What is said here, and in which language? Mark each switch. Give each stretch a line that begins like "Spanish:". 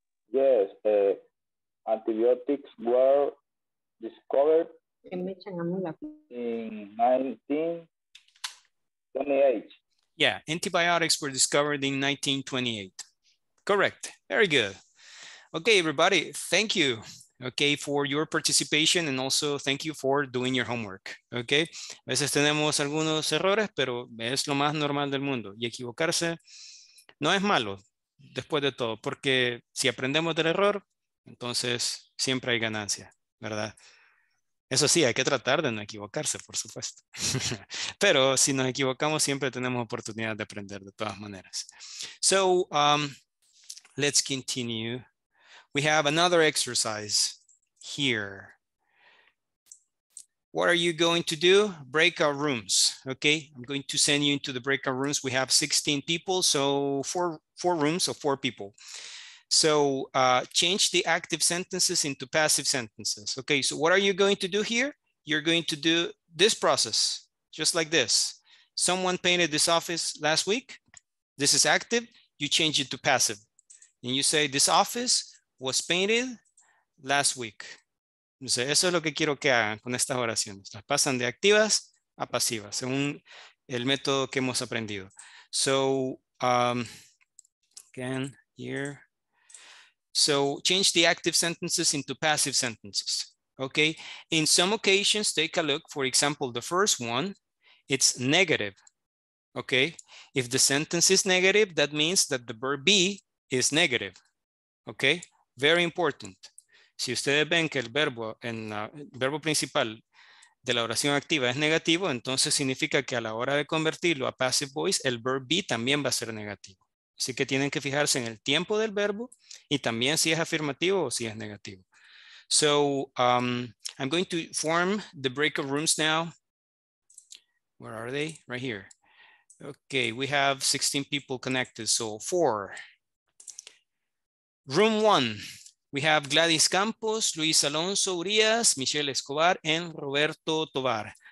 English: Yes. Antibiotics were discovered in 1928. Yeah, antibiotics were discovered in 1928. Correct. Very good. Okay, everybody. Thank you. Okay, for your participation and also thank you for doing your homework. Okay.
Spanish: A veces tenemos algunos errores, pero es lo más normal del mundo. Y equivocarse no es malo, después de todo, porque si aprendemos del error, entonces siempre hay ganancia, ¿verdad? Eso sí, hay que tratar de no equivocarse, por supuesto. Pero si nos equivocamos, siempre tenemos oportunidad de aprender de todas maneras.
English: So, let's continue. We have another exercise here. What are you going to do? Breakout rooms, okay? I'm going to send you into the breakout rooms. We have 16 people, so four rooms of four people. So change the active sentences into passive sentences. Okay, so what are you going to do here? You're going to do this process, just like this. Someone painted this office last week. This is active, you change it to passive. And you say, this office was painted last week.
Spanish: Eso es lo que quiero que hagan con estas oraciones. Las pasan de activas a pasivas, según el método que hemos aprendido.
English: So, again, here. So, change the active sentences into passive sentences. Okay. In some occasions, take a look. For example, the first one, it's negative. Okay. If the sentence is negative, that means that the verb be is negative, okay? Very important.
Spanish: Si ustedes ven que el verbo principal de la oración activa es negativo, entonces significa que a la hora de convertirlo a passive voice, el verb be también va a ser negativo. Así que tienen que fijarse en el tiempo del verbo y también si es afirmativo o si es negativo.
English: So, I'm going to form the breakout rooms now. Where are they? Right here. Okay, we have 16 people connected, so four. Room one, We have Gladys Campos, Luis Alonso Urias, Michelle Escobar, and Roberto Tovar.